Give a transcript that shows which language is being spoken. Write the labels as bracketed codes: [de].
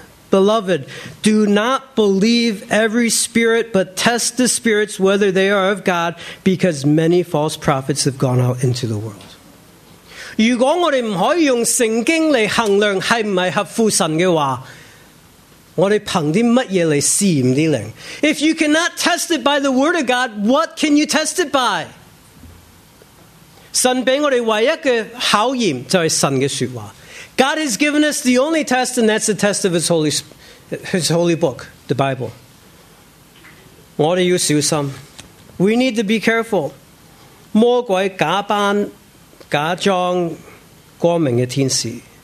[en] Beloved, do not believe every spirit, but test the spirits whether they are of God, because many false prophets have gone out into the world. [zh] 如果我们不可以用圣经来衡量是不是合乎神的话，我们凭什么来试验这灵？ [en] If you cannot test it by the word of God, what can you test it by? [zh] 神给我们唯一的考验就是神的说话。 [en] God has given us the only test, and that's the test of His holy book, the Bible. [zh] 我们要小心。 [en] We need to be careful. [zh] 魔鬼假扮 假装光明的天使,